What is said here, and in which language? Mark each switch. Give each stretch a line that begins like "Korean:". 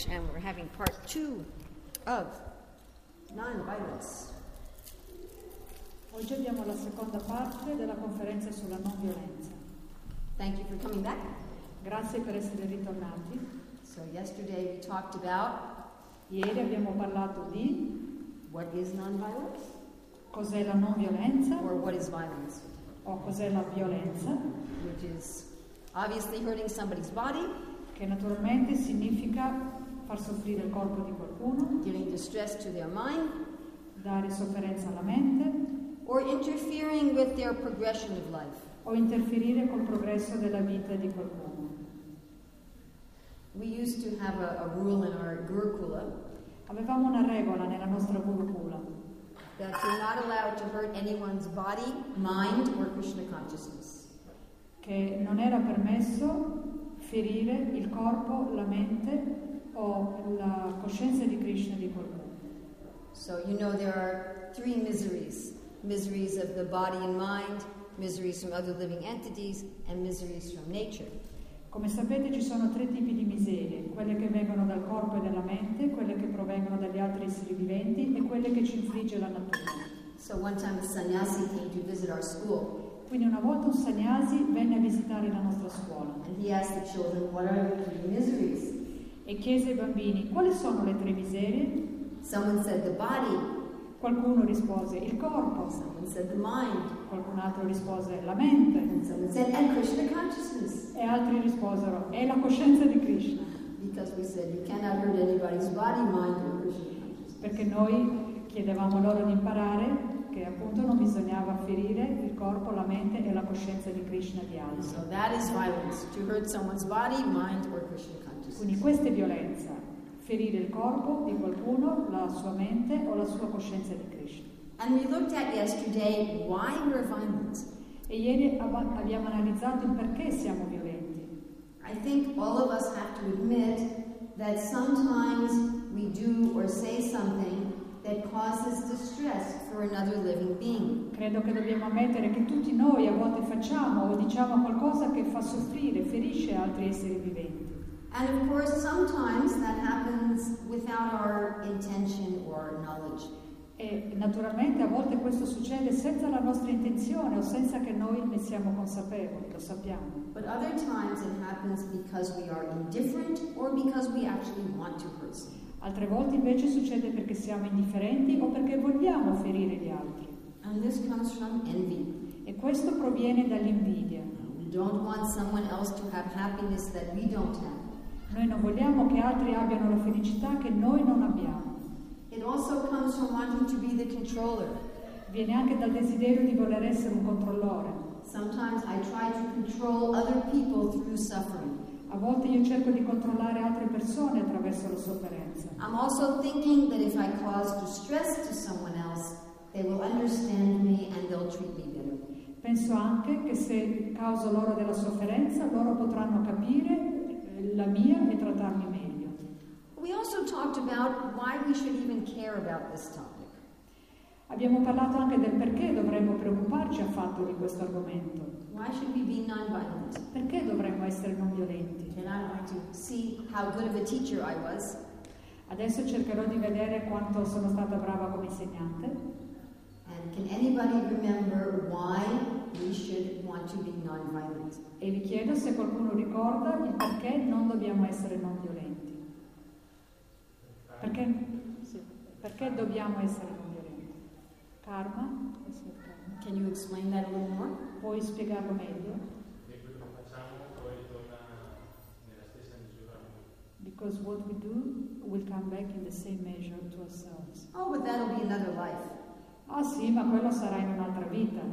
English: and we're having part two of Non-Violence.
Italian: Oggi abbiamo la seconda parte della conferenza sulla non violenza.
English: Thank you for coming back.
Italian: Grazie per essere ritornati.
English: So yesterday we talked about.
Italian: Ieri abbiamo parlato di.
English: What is non-violence?
Italian: Cos'è la non violenza?
English: Or what is violence?
Italian: O cos'è la violenza?
English: Which is obviously hurting somebody's body.
Italian: Che naturalmente significa far soffrire il corpo di qualcuno.
English: Giving distress to their mind.
Italian: Dare sofferenza alla mente.
English: Or interfering with their progression of life.
Italian: O interferire col progresso della vita di qualcuno.
English: We used to have a rule in our gurukula.
Italian: Avevamo una regola nella nostra gurukula.
English: That you're not allowed to hurt anyone's body, mind, or Krishna consciousness.
Italian: Che non era permesso ferire il corpo, la mente o la coscienza di Krishna di qualcuno.
English: So you know there are three miseries. Miseries of the body and mind, miseries from other living entities, and miseries from nature.
Italian: Come sapete, ci sono tre tipi di miserie: quelle che vengono dal corpo e dalla mente, quelle che provengono dagli altri esseri viventi, e quelle che ci infligge la natura.
English: So one time a sannyasi came to visit our school.
Italian: Quindi una volta un sannyasi venne a visitare la nostra scuola.
English: And he asked the children, "What are the three miseries?"
Italian: E chiese ai bambini: quali sono le tre miserie?
English: Someone said the body.
Italian: Qualcuno rispose il corpo.
English: Someone said the mind.
Italian: Qualcun altro rispose la mente.
English: And someone said, and Krishna consciousness.
Italian: E altri risposero e la coscienza di Krishna.
English: Because we said you cannot hurt anybody's body, mind, or Krishna consciousness.
Italian: Perché noi chiedevamo loro di imparare che appunto non bisognava ferire il corpo, la mente e la coscienza di Krishna di altri.
English: So that is violence, to hurt someone's body, mind, or Krishna consciousness.
Italian: Quindi questa è violenza. Ferire il corpo di qualcuno, la sua mente o la sua coscienza di Krishna.
English: And we looked at yesterday why we're violent.
Italian: E ieri abbiamo analizzato il perché siamo violenti.
English: I think all of us have to admit that sometimes we do or say something that causes distress for another living being.
Italian: Credo che dobbiamo ammettere che tutti noi a volte facciamo o diciamo qualcosa che fa soffrire, ferisce altri esseri viventi.
English: And of course, sometimes that happens without our intention or knowledge.
Italian: E naturalmente a volte questo succede senza la nostra intenzione o senza che noi ne siamo consapevoli, lo sappiamo.
English: But other times it happens because we are indifferent or because we actually want to hurt someone.
Italian: Altre volte invece succede perché siamo indifferenti o perché vogliamo ferire gli altri.
English: And this comes from envy.
Italian: E questo proviene dall'invidia.
English: We don't want someone else to have happiness that we don't have.
Italian: Noi non vogliamo che altri abbiano la felicità che noi non abbiamo.
English: It also comes from wanting to be the controller.
Italian: Viene anche dal desiderio di voler essere un controllore.
English: Sometimes I try to control other people through suffering.
Italian: A volte io cerco di controllare altre persone attraverso la sofferenza.
English: I'm also thinking that if I cause distress to someone else, they will understand me and they'll treat me better.
Italian: Penso anche che se causo loro della sofferenza, loro potranno capire la mia e trattarmi meglio.
English: We also talked about why we should even care about this topic.
Italian: Abbiamo parlato anche del perché dovremmo preoccuparci affatto di questo argomento.
English: Why should we be non-violent?
Italian: Perché dovremmo essere non violenti?
English: And I'd like to see how good of a teacher I was.
Italian: Adesso cercherò di vedere quanto sono stata brava come insegnante.
English: And can anybody remember why we should want to be non-violent?
Italian: E vi chiedo se qualcuno ricorda il perché non dobbiamo essere non violenti. Perché? Sì. Perché dobbiamo essere non violenti? Karma?
English: Can you explain that a little more?
Italian: Puoi spiegarlo meglio? Di quello che facciamo poi ritorna nella stessa misura. Di
English: Because what we do will come back in the same measure to ourselves. Oh, but that'll be another life.
Italian: Ah sì, ma quello sarà in un'altra vita.